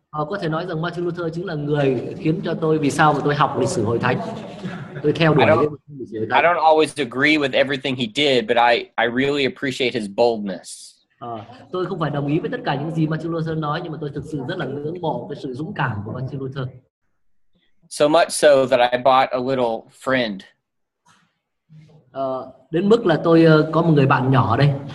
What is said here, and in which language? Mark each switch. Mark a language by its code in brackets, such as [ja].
[vi] Có thể nói rằng Martin Luther chính là người khiến cho tôi vì sao mà tôi học lịch sử hội thánh. Tôi theo đuổi [en] I don't always agree with everything he did, but I really appreciate his boldness. [vi] Tôi không phải đồng ý với tất cả những gì Martin Luther nói, nhưng mà tôi thực sự rất là ngưỡng mộ cái sự dũng cảm của Martin Luther. [en] So much so that I bought a little friend. [vi] Đến mức là tôi có một người bạn nhỏ đây.